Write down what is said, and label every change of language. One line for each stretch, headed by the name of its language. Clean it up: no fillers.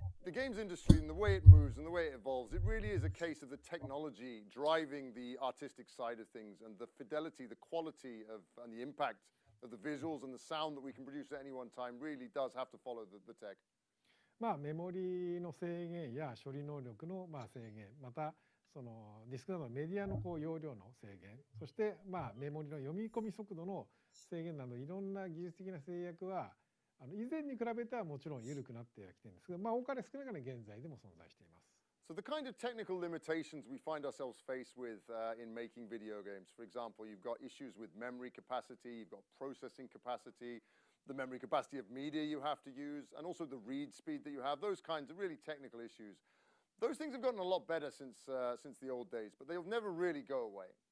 English: The games industry and the way it moves and the way it evolves, it really is a case of the technology driving the artistic side of things and the fidelity, the quality of, and the impact of the visuals and the sound that we can produce at any one time really does have to follow the tech.
Japanese: まあ、メモリーの制限や処理能力の、まあ、制限、またそのディスクなどのメディアのこう容量の制限、そしてまあ、メモリーの読み込み速度の制限など、いろんな技術的な制約は、以前に比べてはもちろん緩くなってはきているんですが、まあ、多かれ少なかれ現在でも存在しています。
English: So the kind of technical limitations we find ourselves faced with in making video games, for example, you've got issues with memory capacity, you've got processing capacity, the memory capacity of media you have to use, and also the read speed that you have, those kinds of really technical issues. Those things have gotten a lot better since the old days, but they'll never really go away.